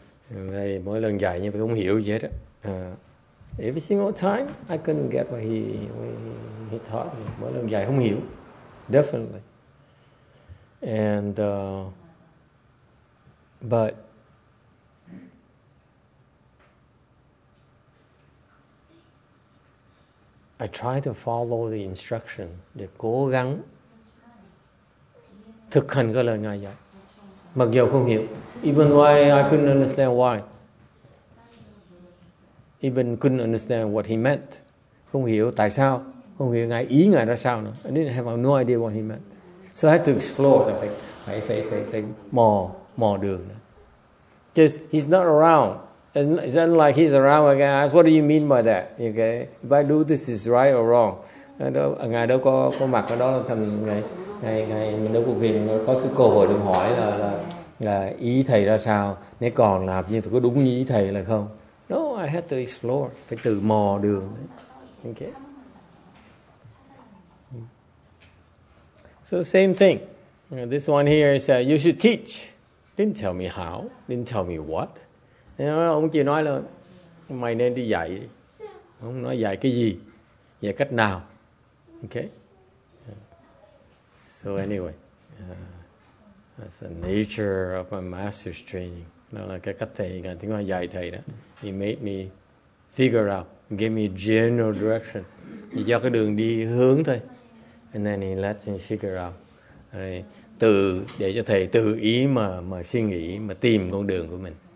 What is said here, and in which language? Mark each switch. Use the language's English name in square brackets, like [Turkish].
[Vietnamese] Đây, mỗi lần dạy như vậy không hiểu gì hết á. [English] Every single time, I couldn't get what he taught me. [Vietnamese] Mỗi lần dạy không hiểu, [English] definitely. And but I try to follow the instruction. [Vietnamese] Để cố gắng thực hành cái lời ngài dạy. Mặc dù không hiểu, [English] even why I couldn't understand why, even couldn't understand what he meant, [Vietnamese] không hiểu tại sao, không hiểu ngài ý ngài ra sao nữa. [English] I didn't have no idea what he meant, so I had to explore. [Vietnamese] Phải mò đường. [English] Just he's not around, it's not like he's around. I ask, what do you mean by that? Okay, if I do this, is right or wrong? [Vietnamese] Ngài đâu có mặt ở đó thành ngài. Ngày mình đâu có quyền có cái cơ hội được hỏi là ý thầy ra sao, nếu còn làm như có đúng như ý thầy là không. [English] No, I had to explore, [Vietnamese] phải tự mò đường. [English] Okay. So same thing. This one here is you should teach. Didn't tell me how, didn't tell me what. [Vietnamese] Ông chỉ nói là mày nên đi dạy. Ông nói dạy cái gì, dạy cách nào. Okay. [English] So anyway, that's the nature of my master's training. [Vietnamese] Nó là cái cách thầy, cái tiếng Anh dạy thầy đó. [English] He made me figure out, gave me general direction. [Vietnamese] Chỉ cho cái đường đi hướng thôi. [English] And then he lets me figure out. [Vietnamese] Rồi tự, để cho thầy tự ý mà suy nghĩ, mà tìm con đường của mình.